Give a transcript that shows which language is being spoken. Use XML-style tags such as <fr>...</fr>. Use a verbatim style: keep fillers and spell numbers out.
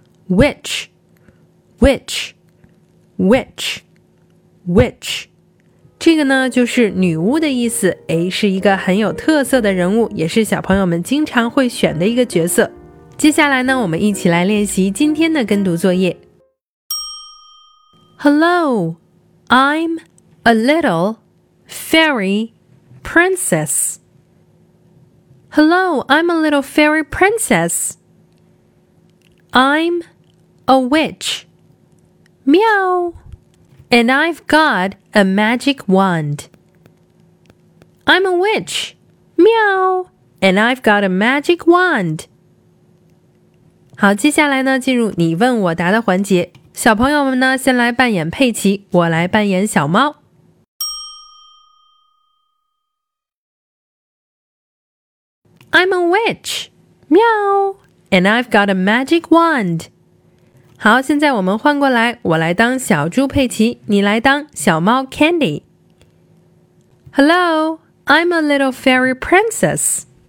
<zh>Witch, witch, witch, witch， 这个呢就是女巫的意思，诶，是一个很有特色的人物，也是小朋友们经常会选的一个角色。接下来呢，我们一起来练习今天的跟读作业。</zh> <en>Hello, I'm a little fairy princess. Hello, I'm a little fairy princess. I'm a witch. Meow. And I've got a magic wand. I'm a witch. Meow. And I've got a magic wand.</en> <zh>好，接下来呢，进入你问我答的环节。小朋友们呢，先来扮演佩奇，我来扮演小猫。</zh> <en>I'm a witch. Meow. And I've got a magic wand.</en> <zh>好，现在我们换过来，我来当小猪佩奇，你来当小猫 Candy。</zh> <en>Hello, I'm a little fairy princess.</en>